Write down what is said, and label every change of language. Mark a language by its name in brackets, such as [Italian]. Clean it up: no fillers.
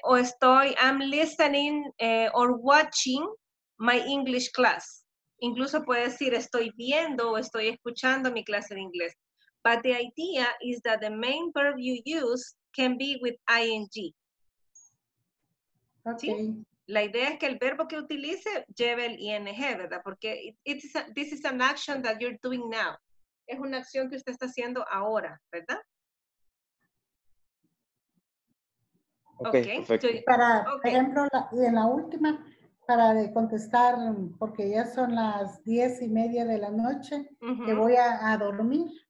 [Spanish] O estoy, [English] I'm listening or watching my English class. [Spanish] Incluso puede decir, estoy viendo o estoy escuchando mi clase de inglés. [English] But the idea is that the main verb you use can be with ing. [Spanish] Okay. ¿Sí? La idea es que el verbo que utilice lleve el ing, ¿verdad? Porque [English] this is an action that you're doing now. [Spanish] Es una acción que usted está haciendo ahora, ¿verdad? Ok, perfecto. Por ejemplo, en la última, para de contestar, porque ya son las 10:30 de la noche, que voy a dormir.